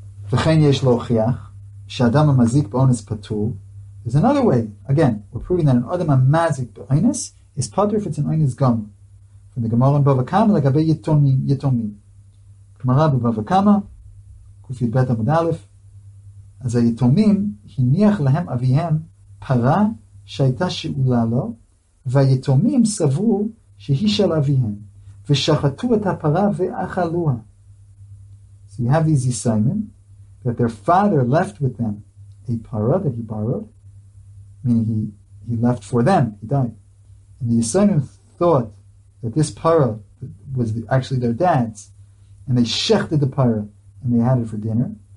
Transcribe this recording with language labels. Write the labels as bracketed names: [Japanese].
[Hebrew] וכן יש להוכיח שאדם המזיק באונס פטור. [English] There's another way. Again, we're proving that an [Hebrew] אדם המזיק באונס [English] is פטור if it's an אונס גם. From the Gemara in Bava Kama [Hebrew] לגבי יתומים. Gemara בבבא קמא, קי"ב עמוד א', אז היתומים הניח להם אביהם פרה שהייתה שאולה לו, והיתומים סברו שהיא של אביהם, ושחטו את הפרה ואכלוה. [English] So you have these Yisaimim, that their father left with them a parah that he borrowed, meaning he left for them, he died. And the Yisaimim thought that this parah was actually their dad's, and they shechted the parah, and they had it for dinner.